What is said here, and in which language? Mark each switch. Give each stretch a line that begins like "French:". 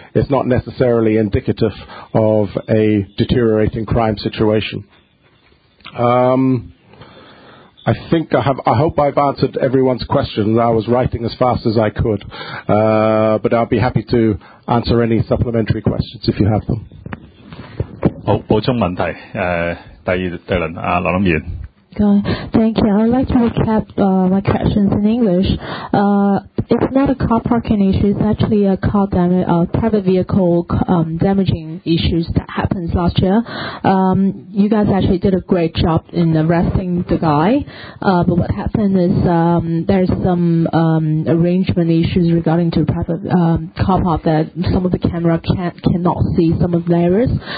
English: It's not necessarily indicative of a deteriorating crime situation. I think I hope I've answered everyone's questions. I was writing as fast as I could, but I'll be happy to answer any supplementary questions if you have them.
Chinese: 好，補充問題，第二輪，羅林議員。
English: Thank you. I'd like to recap my questions in English. It's not a car parking issue, it's actually a car private vehicle damaging issues that happened last year. You guys actually did a great job in arresting the guy, but what happened is there's some arrangement issues regarding to private car park that some of the camera cannot see some of the areas.